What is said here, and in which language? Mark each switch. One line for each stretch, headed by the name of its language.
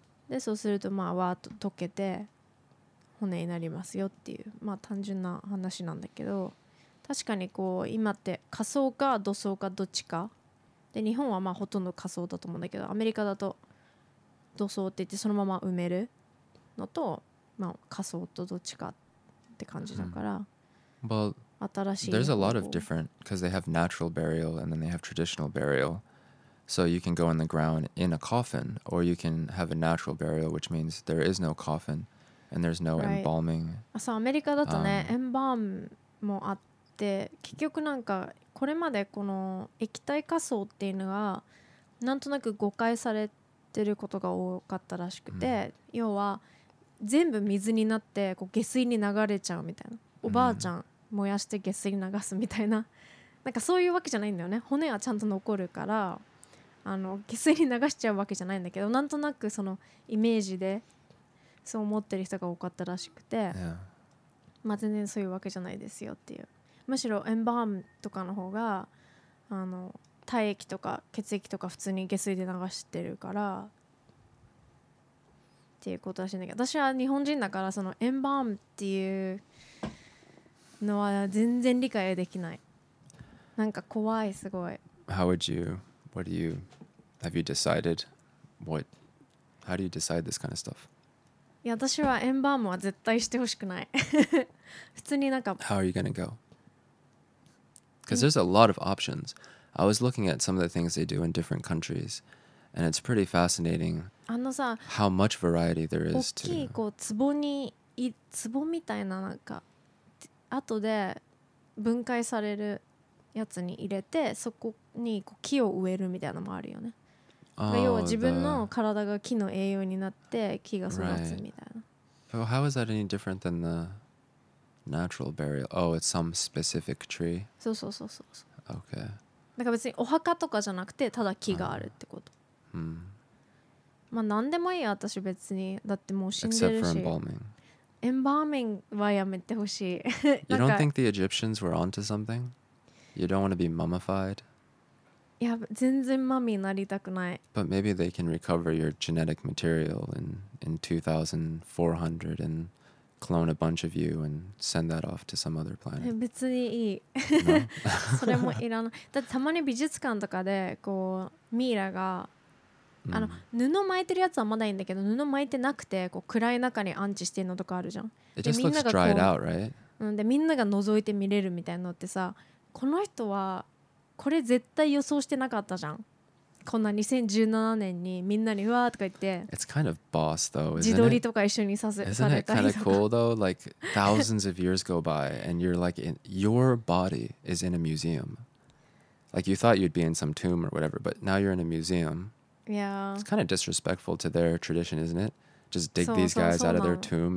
Japanese: でそうするとまあわーっと溶けて骨になりますよっていう、まあ、単純な話なんだけど、確かにこう今って火葬か土葬かどっちかで、日本はまあほとんど火葬だと思うんだけど、アメリカだと土葬って言ってそのまま埋めるのと、まあ、火葬とどっちかって感じだから、うん、well, 新しい
English: There's a lot of different because they have natural burial and then they have traditional burial. So you can go in the ground in a coffin or you can have a natural burial which means there is no coffin and there's no embalming.
Japanese: あ、そう、アメリカだとね、エンバームもあって、結局なんかこれまでこの液体火葬っていうのはなんとなく誤解されてることが多かったらしくて、うん、要は全部水になってこう下水に流れちゃうみたいな、おばあちゃん燃やして下水流すみたいな、なんかそういうわけじゃないんだよね、骨はちゃんと残るから、あの下水に流しちゃうわけじゃないんだけど、なんとなくそのイメージでそう思ってる人が多かったらしくて、まあ全然そういうわけじゃないですよっていう、むしろエンバームとかの方があの体液とか血液とか普通に下水で流してるからっていうことらしいんだけど、私は日本人だからそのエンバームっていうのは全然理解できない、なんか怖い、すごい。
English: How would you, what do you, have you decided what, how do you decide this kind of stuff?
Japanese: いや、私はエンバームは絶対してほしくない普通になんか
English: How are you gonna go? Because there's a lot of options. I was looking at some of the things they do in different countries and it's pretty fascinating how much variety there is to
Japanese: 大きいこう壺に壺みたいな、なんか後で分解されるやつに入れてそこにこう木を植えるみたいなのもあるよね、oh, 要は自分の体が木の栄養になって木が育つみたいな、
English: right. How is that any different than the natural burial? Oh, it's some specific tree?
Japanese: そうそうそうそう、
English: Okay.
Japanese: だから別にお墓とかじゃなくてただ木があるってこと、まあ何でもいい、私別に、だってもう死んでるし。
English: Except for embalming.
Japanese: Embalming はやめてほしい。
English: You don't think the Egyptians were onto something? You don't want to be mummified?
Japanese: いや、全然マミーなりたくない。
English: But maybe they can recover your genetic material in 2400 and clone a bunch of you and send that off to some other planet.
Japanese: 別にいい。それもいらない。だってたまに美術館とかでこうミイラが、あの布巻いてるやつはまだいいんだけど、布巻いてなくてこう暗い中に安置してるのとかあるじゃん。
English: It just looks dried out, right?
Japanese: でみんなが覗いて見れるみたいなのってさ、この人はこれ絶対予想してなかったじゃん。こんな2017年にみんなにうわーとか言って、
English: It's kind of boss though, isn't it?
Japanese: 自撮りとか一緒にさせ、されたりとか。
English: Isn't it kind of cool though? Like thousands of years go by and you're like in, your body is in a museum. Like you thought you'd be in some tomb or whatever, but now you're in a museum. Yeah. It's kind of disrespectful to their tradition, isn't it? Just dig these guys out of their tomb.